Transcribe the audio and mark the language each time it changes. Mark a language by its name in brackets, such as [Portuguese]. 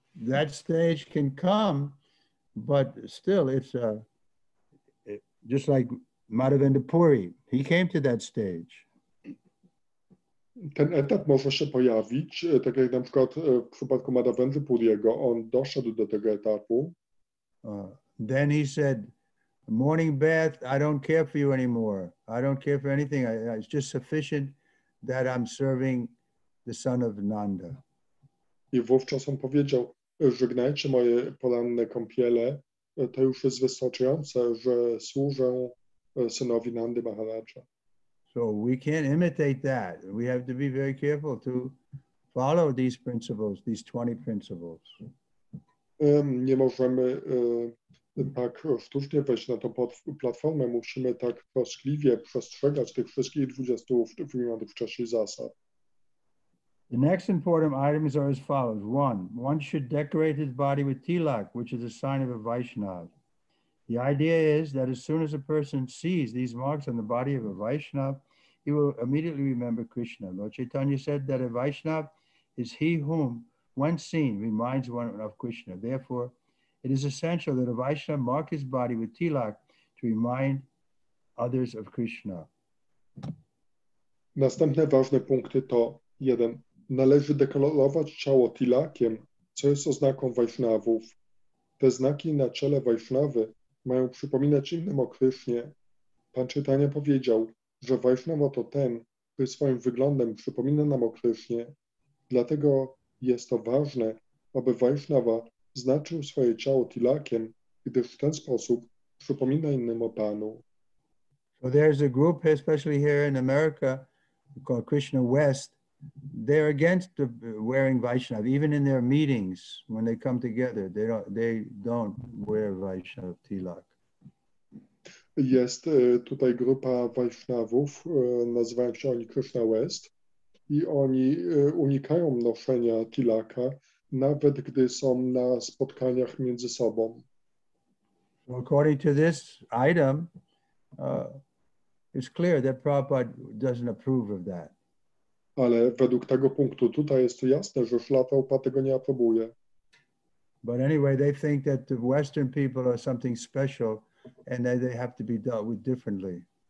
[English] That stage can come, but still it's just like Madhavendra Puri. He came to that stage. [Polish] Ten etap może się pojawić, tak jak na przykład w przypadku Madhavendra Puriego, on doszedł do tego etapu. [English] Then he said, morning bath, I don't care for you anymore. I don't care for anything. It's just sufficient that I'm serving the son of Nanda. [Polish] I wówczas on powiedział, żegnajcie moje poranne kąpiele, to już jest wystarczające, że służę synowi Nandy Maharaja. [English] So we can't imitate that. We have to be very careful to follow these principles, these 20 principles. [Polish] Nie możemy tak sztucznie wejść na tą platformę. Musimy tak troskliwie przestrzegać tych wszystkich 20 wymienionych wcześniej zasad. [English] The next important items are as follows. One should decorate his body with tilak, which is a sign of a Vaishnava. The idea is that as soon as a person sees these marks on the body of a Vaishnava, he will immediately remember Krishna. Lord Chaitanya said that a Vaishnava is he whom, when seen, reminds one of Krishna. Therefore, it is essential that a Vaishnava mark his body with tilak to remind others of Krishna. [Polish] Następne ważne punkty to 1. Należy dekolorować ciało tilakiem, co jest oznaką Vaishnavów. Te znaki na czele Vaishnavy mają przypominać innym o Krishnie. Pan Chaitanya powiedział, że Vaishnava to ten, który swoim wyglądem przypomina nam o Krishnie. Dlatego jest to ważne, aby Vaishnava znaczył swoje ciało tilakiem, gdyż w ten sposób przypomina innym o Panu. [English] So there's a group, especially here in America, called Krishna West. They're against the wearing Vaishnava, even in their meetings, when they come together, they don't wear Vaishnava tilak. [Polish] Jest tutaj grupa Vaishnavów, nazywają się oni Krishna West, i oni unikają noszenia tilaka, nawet gdy są na spotkaniach między sobą. [English] According to this item, it's clear that Prabhupada doesn't approve of that. [Polish] Ale według tego punktu tutaj jest to jasne, że Śla Prabhupada tego nie aprobuje. [English] But anyway, they think that the Western people are something special, and that they have to be dealt with differently.